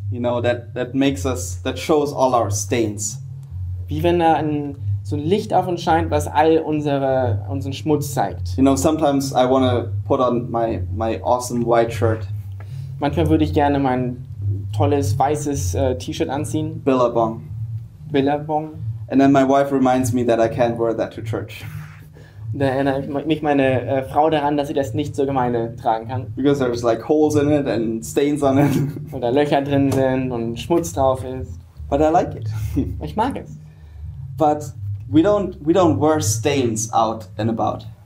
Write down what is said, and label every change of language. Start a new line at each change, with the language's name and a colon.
English: You know, that makes us, that shows all our stains.
German: Wie wenn da so ein Licht auf uns scheint, was all unseren Schmutz zeigt.
English: You know, sometimes I want to put on my awesome white shirt.
German: Manchmal würde ich gerne mein tolles weißes T-Shirt anziehen.
English: Billabong. And then my wife reminds me that I can't wear that to church.
German: Da erinnert mich meine Frau daran, dass sie das nicht zur Gemeinde tragen kann.
English: Because there's like holes in it and stains on it.
German: Weil da Löcher drin sind und Schmutz drauf ist.
English: But I like it.
German: Ich mag es.
English: But we don't wear stains out and about.